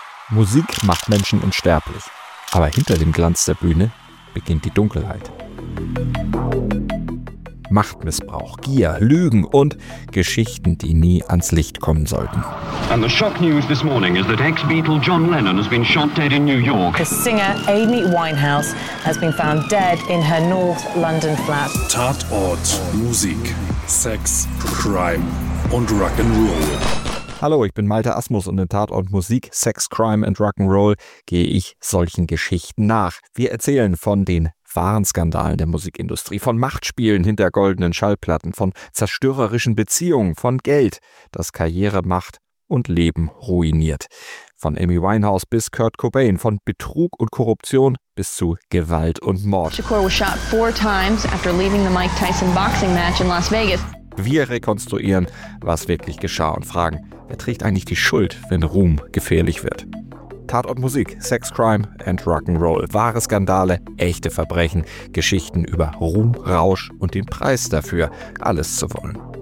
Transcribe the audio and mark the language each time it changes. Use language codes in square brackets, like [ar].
[de] Musik macht Menschen unsterblich, aber hinter dem Glanz der Bühne beginnt die Dunkelheit. Machtmissbrauch, Gier, Lügen und Geschichten, die nie ans Licht kommen sollten. [en] And the shock news this morning is that ex-Beatle John Lennon has been shot dead in New York. The singer Amy Winehouse has been found dead in her North London flat. [de] Tatort, Musik, Sex, Crime und Rock'n'Roll. Hallo, ich bin Malte Asmus und in Tatort Musik, Sex, Crime and Rock'n'Roll gehe ich solchen Geschichten nach. Wir erzählen von den wahren Skandalen der Musikindustrie, von Machtspielen hinter goldenen Schallplatten, von zerstörerischen Beziehungen, von Geld, das Karriere macht und Leben ruiniert. Von Amy Winehouse bis Kurt Cobain, von Betrug und Korruption bis zu Gewalt und Mord. [en] Shakur was shot 4 times after leaving the Mike Tyson boxing match in Las Vegas. [de] Wir rekonstruieren, was wirklich geschah und fragen, wer trägt eigentlich die Schuld, wenn Ruhm gefährlich wird? Tatort Musik, Sex, Crime and Rock'n'Roll. Wahre Skandale, echte Verbrechen, Geschichten über Ruhm, Rausch und den Preis dafür, alles zu wollen.